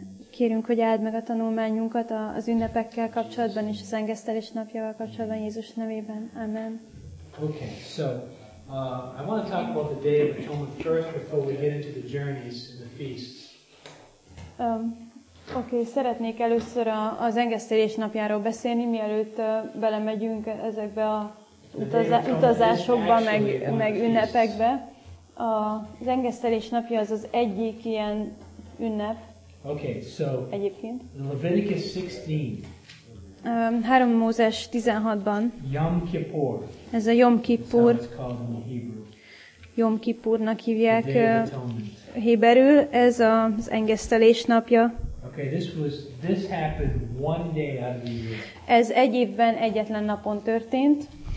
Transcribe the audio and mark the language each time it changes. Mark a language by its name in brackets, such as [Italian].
[Hungarian] Kérünk, hogy áld meg a tanulmányunkat az ünnepekkel kapcsolatban és az engesztelés napjával kapcsolatban Jézus nevében. Amen. [English] Okay, so I want to talk about the Day of Atonement first before we get into the journeys and the feasts. [Hungarian] Okay, szeretnék először az engesztelés napjáról beszélni, mielőtt belemegyünk ezekbe a utazásokba, meg ünnepekbe. Az engesztelés napja az egyik ilyen ünnep. [English] Okay, so [Hungarian] egyébként. [English] Leviticus 16. [Hungarian] 3 Mózes 16-ban. [English] Yom Kippur. [Hungarian] Ez a Yom Kippur. [English] It's called in Hebrew. [Hungarian] Yom Kippurnak hívják héberül, ez az engesztelés napja. [English] Okay, this happened one day out of the year. [Hungarian] Ez egy évben egyetlen napon történt.